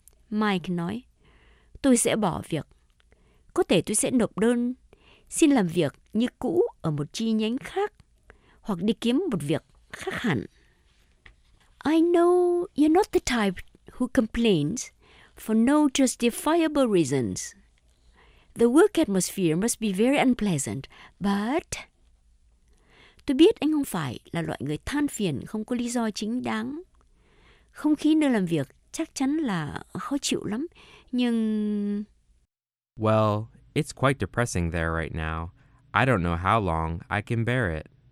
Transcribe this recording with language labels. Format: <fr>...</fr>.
<vi>Mike nói, tôi sẽ bỏ việc. Có thể tôi sẽ nộp đơn, xin làm việc như cũ ở một chi nhánh khác, hoặc đi kiếm một việc khác hẳn.</vi> <en>I know you're not the type who complains, for no justifiable reasons. The work atmosphere must be very unpleasant, but...</en> <vi>Tôi biết anh không phải là loại người than phiền không có lý do chính đáng. Không khí nơi làm việc chắc chắn là khó chịu lắm, nhưng...</vi> <en>Well, it's quite depressing there right now. I don't know how long I can bear it.</en>